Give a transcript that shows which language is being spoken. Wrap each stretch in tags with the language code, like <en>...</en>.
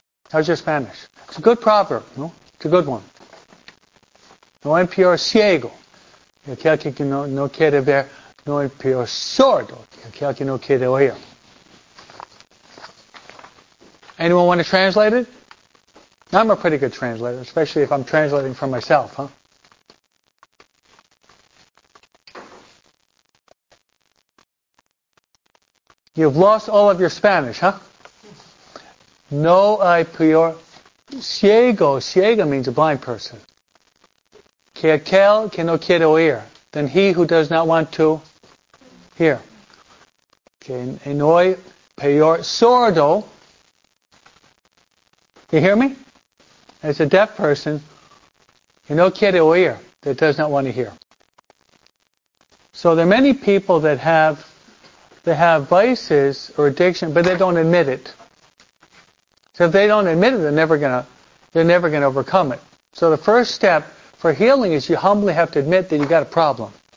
<en>How's your Spanish? It's a good proverb, no? It's a good one.</en> <es>No hay peor ciego que aquel que no quiere ver. No hay peor sordo que aquel que no quiere oír.</es> <en>Anyone want to translate it? I'm a pretty good translator, especially if I'm translating for myself, huh? You've lost all of your Spanish, huh?</en> <es>No hay peor ciego.</es> <en>Ciego means a blind person.</en> <es>Que aquel que no quiere oír.</es> <en>Than he who does not want to hear.</en> <es>Que no hay peor sordo.</es> <en>You hear me? As a deaf person,</en> <es>que no quiere oír.</es> <en>That does not want to hear. So there are many people that have they have vices or addiction, but they don't admit it. So if they don't admit it, they're never gonna overcome it. So the first step for healing is you humbly have to admit that you got a problem.</en>